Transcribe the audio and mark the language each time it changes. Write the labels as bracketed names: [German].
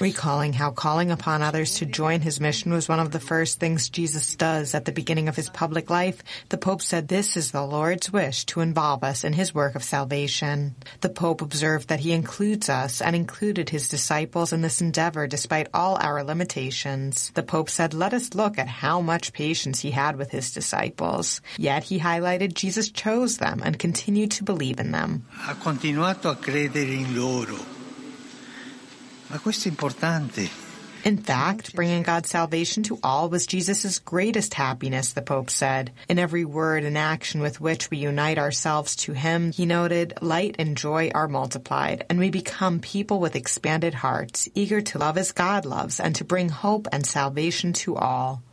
[English] Recalling how calling upon others to join his mission was one of the first things Jesus does at the beginning of his public life, the Pope said this is the Lord's wish to involve us in his work of salvation. The Pope observed that he includes us and included his disciples in this endeavor despite all our limitations. The Pope said, let us look at how much patience he had with his disciples. Yet he highlighted Jesus chose them and continued to believe in them. [Italian] Ha continuato a credere in loro. Ma questo è importante. [English] In fact, bringing God's salvation to all was Jesus' greatest happiness, the Pope said. In every word and action with which we unite ourselves to him, he noted, light and joy are multiplied, and we become people with expanded hearts, eager to love as God loves and to bring hope and salvation to all.